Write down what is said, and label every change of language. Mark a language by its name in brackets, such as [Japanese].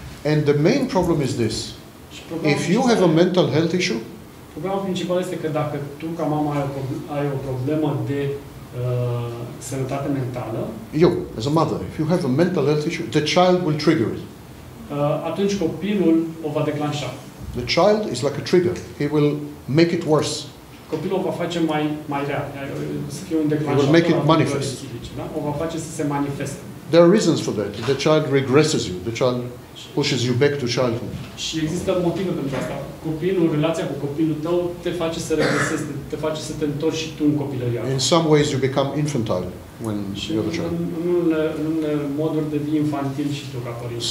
[English] And the main problem is this. If you have a mental health issue, [Romanian] problema principală este că dacă tu ca mamă ai o problemă de sănătate mentală, [English] you, as a mother, if you have a mental health issue, the child will trigger it. [Romanian] Atunci copilul o va declanșa. [English] The child is like a trigger. He will make it worse. [Romanian] Copilul va face mai rău. Să fie un declanșator. [English] He will make it manifest. [Romanian] O va face să se manifeste. [English] There are reasons for that. The child regresses you. The child pushes you back to childhood. [Romanian] Și există motive pentru asta. Copilul, relația cu copilul tău te face să regresezi, te face să te întorci și tu în copilărie. [English] In some ways you become infantile when you're a child. [Romanian] În unele moduri devii infantil și tu ca părinte.